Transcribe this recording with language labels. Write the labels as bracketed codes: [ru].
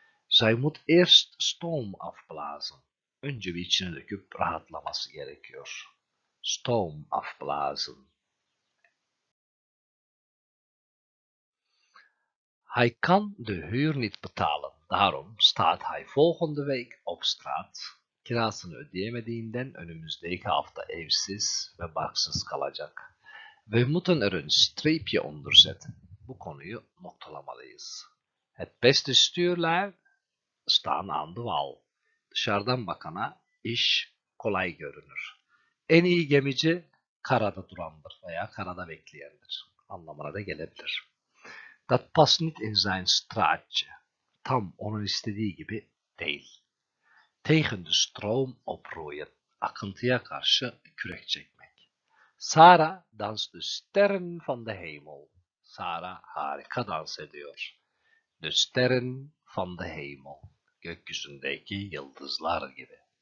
[nl] Zij moet eerst stoom afblazen. [tr] Önce bir içine döküp rahatlaması gerekiyor. [nl] Stoom afblazen. Hij kan de huur niet betalen. Daarom staat hij volgende week op straat. [tr] Kirasını ödeyemediğinden önümüzdeki hafta evsiz ve barksız kalacak. [nl] We moeten er een streepje onder zetten. [tr] Bu konuyu noktalamalıyız. [nl] Het beste stuurlui staan aan de wal. [tr] Dışarıdan bakana iş kolay görünür. En iyi gemici karada durandır veya karada bekleyendir. Anlamına da gelebilir. [nl] Dat past niet in zijn straatje. [tr] Tam onun istediği gibi değil. [nl] Tegen de stroom oproeien. [tr] Akıntıya karşı kürek çekmek. [nl] Sara danst de sterren van de hemel. [tr] Sara harika dans ediyor. [nl] De sterren van de hemel. [tr] Gökyüzündeki yıldızlar gibi.